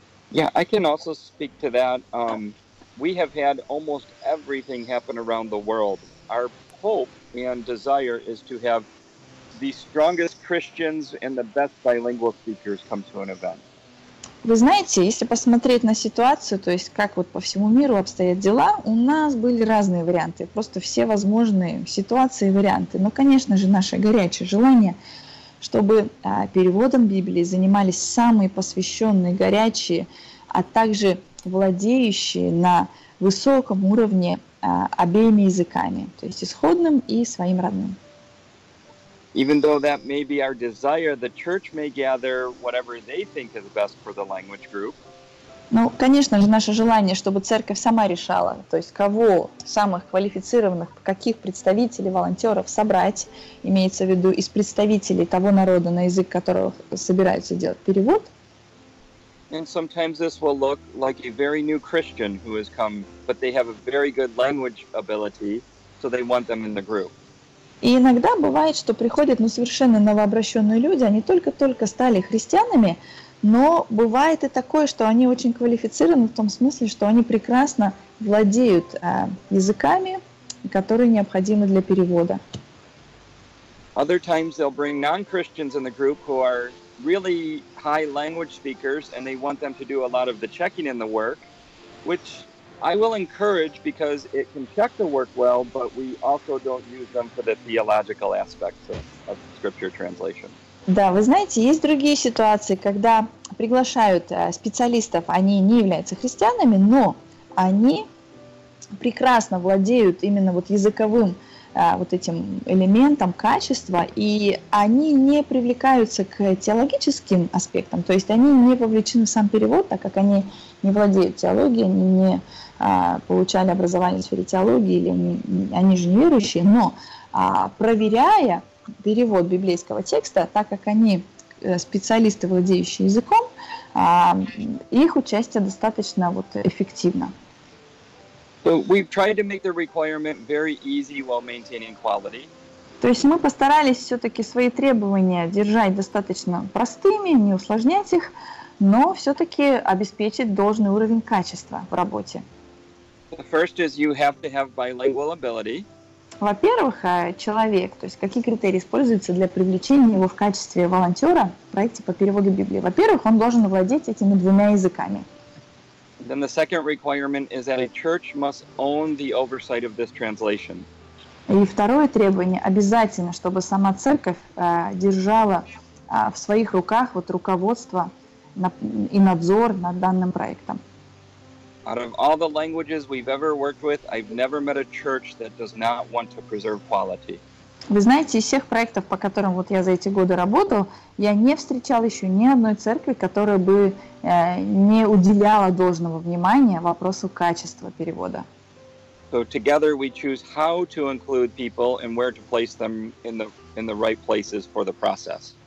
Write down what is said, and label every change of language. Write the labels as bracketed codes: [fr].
[en] Yeah, I can also speak to that. We have had almost everything happen around the world. Our hope and desire is to have the strongest Christians and the best bilingual speakers come to an event. [ru] Вы знаете, если посмотреть на ситуацию, то есть как вот по всему миру обстоят дела, у нас были разные варианты, просто все возможные ситуации и варианты. Но, конечно же, наше горячее желание, чтобы переводом Библии занимались самые посвященные, горячие, а также владеющие на высоком уровне обеими языками, то есть исходным и своим родным. [en] Even though that may be our desire, the church may gather whatever they think is best for the language group. [ru] Ну, конечно же, наше желание, чтобы церковь сама решала, то есть кого самых квалифицированных, каких представителей, волонтеров собрать, имеется в виду из представителей того народа, на язык которого собираются делать перевод. [en] And sometimes this will look like a very new Christian who has come, but they have a very good language ability, so they want them in the group. [ru] И иногда бывает, что приходят ну, совершенно новообращенные люди, они только-только стали христианами, но бывает и такое, что они очень квалифицированы в том смысле, что они прекрасно владеют языками, которые необходимы для перевода. [en] Other times they'll bring non-Christians in the group who are really high language speakers, and they want them to do a lot of the checking in the work, which I will encourage because it can check the work well, but we also don't use them for the theological aspects of scripture translation. [ru] Да, вы знаете, есть другие ситуации, когда приглашают специалистов, они не являются христианами, но они прекрасно владеют именно вот языковым вот этим элементом качества, и они не привлекаются к теологическим аспектам, то есть они не вовлечены в сам перевод, так как они не владеют теологией, они не получали образование в сфере теологии, или они же неверующие, но проверяя перевод библейского текста, так как они специалисты, владеющие языком, их участие достаточно вот, эффективно. [en] So we've tried to make the requirement very easy while maintaining quality. [ru] То есть мы постарались все-таки свои требования держать достаточно простыми, не усложнять их, но все-таки обеспечить должный уровень качества в работе. [en] The first is you have to have bilingual ability. [ru] Во-первых, человек, то есть какие критерии используются для привлечения его в качестве волонтера в проекте по переводу Библии? Во-первых, он должен владеть этими двумя языками. [en] Then the second requirement is that a church must own the oversight of this translation. [ru] И второе требование обязательно, чтобы сама церковь держала в своих руках вот руководство и надзор над данным проектом. [en] Out of all the languages we've ever worked with, I've never met a church that does not want to preserve quality. [ru] Вы знаете, из всех проектов, по которым вот я за эти годы работал, я не встречал еще ни одной церкви, которая бы не уделяла должного внимания вопросу качества перевода. [en] So together we choose how to include people and where to place them in the right places for the process.